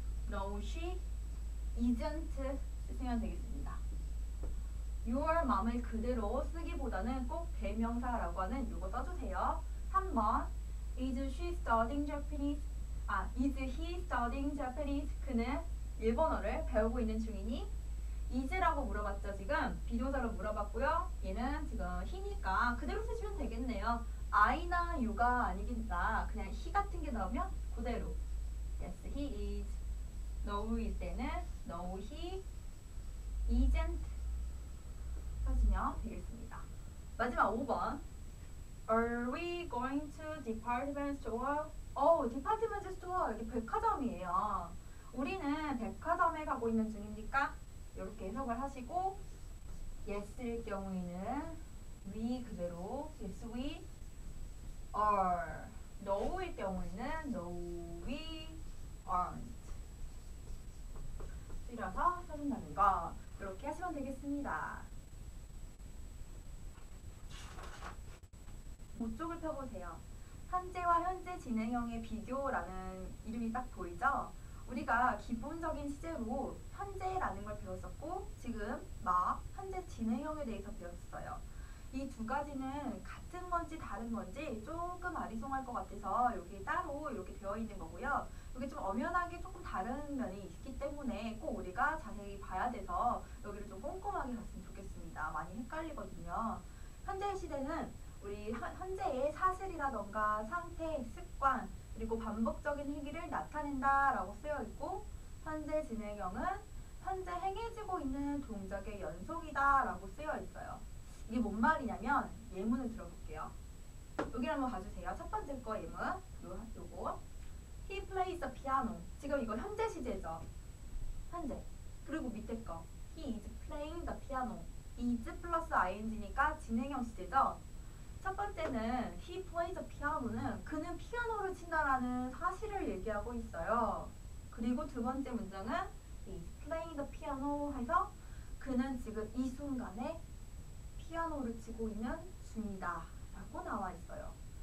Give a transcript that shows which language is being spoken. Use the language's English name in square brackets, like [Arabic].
[English] No, she isn't 쓰시면 되겠습니다. [Korean] Your mom을 그대로 쓰기보다는 꼭 대명사라고 하는 이거 써주세요. 3번. [English] Is she studying Japanese? 아, is he studying Japanese? [Korean] 그는 일본어를 배우고 있는 중이니? Is라고 물어봤죠, 지금? 비동사로 물어봤고요. 얘는 지금 he니까 그대로 쓰시면 되겠네요. I나 you가 아니겠다. 그냥 he 같은 게 나오면 그대로. [English] Yes, he is. No, who is 때는 No, he isn't. [Korean] 하시면 되겠습니다. 마지막 5번. [English] Are we going to department store? [Korean] 오, department store. 이게 백화점이에요. 우리는 백화점에 가고 있는 중입니까? 이렇게 해석을 하시고 yes일 경우에는 we 그대로 yes we are. [English] no일 경우에는 no we aren't. [Korean] 줄여서 써준다는 거 이렇게 하시면 되겠습니다. 오쪽을 펴보세요. 현재와 현재 진행형의 비교라는 이름이 딱 보이죠? 우리가 기본적인 시제로 현재라는 걸 배웠었고 지금 마, 현재 진행형에 대해서 배웠어요. 이 두 가지는 같은 건지 다른 건지 조금 아리송할 것 같아서 여기 따로 이렇게 되어 있는 거고요. 여기 좀 엄연하게 조금 다른 면이 있기 때문에 꼭 우리가 자세히 봐야 돼서 여기를 좀 꼼꼼하게 봤으면 좋겠습니다. 많이 헷갈리거든요. 현재 시제는 우리 현재의 사실이라던가 상태, 습관, 그리고 반복적인 행위를 나타낸다 라고 쓰여 있고 현재 진행형은 현재 행해지고 있는 동작의 연속이다 라고 쓰여 있어요. 이게 뭔 말이냐면 예문을 들어볼게요. 여기 한번 봐주세요. 첫 번째 거 예문 요거 He plays a piano. 지금 이거 현재 시제죠. 현재. [English] 그리고 밑에 거 He is playing the piano. [Korean] is 플러스 ing니까 진행형 시제죠. 첫 번째는 He plays a piano 는 그는 피아노를 친다라는 사실을 얘기하고 있어요. 그리고 두 번째 문장은 He's playing the piano 해서 그는 지금 이 순간에 피아노를 치고 있는 중이다 라고 나와 있어요.